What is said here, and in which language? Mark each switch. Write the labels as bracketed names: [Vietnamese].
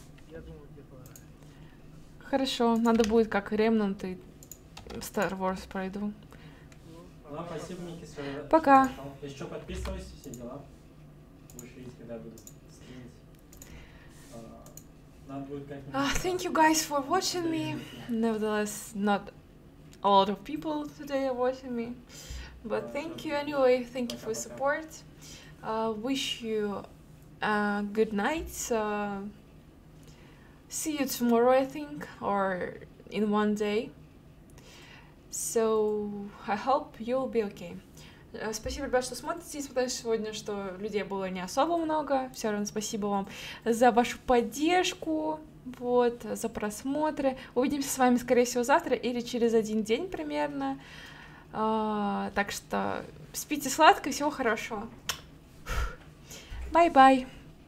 [Russian] Я думаю, тебе понравится. Хорошо, надо будет как Remnant и Star Wars пройду. Ну, спасибо, Микки, что я пока. Если что, подписывайся, все дела. Будешь видеть, когда буду стримить. Надо будет как-нибудь... [English] Thank you guys for watching me. Nevertheless, not a lot of people today are watching me. But thank you anyway, thank you for support. Wish you a good night. See you tomorrow, I think, or in one day. So I hope you'll be okay. [Russian] Спасибо, ребят, что смотрите, несмотря на сегодня, что людей было не особо много. Все равно спасибо вам за вашу поддержку, вот, за просмотры. Увидимся с вами, скорее всего, завтра или через один день примерно. Так что спите сладко и всего хорошего. [English] Bye-bye.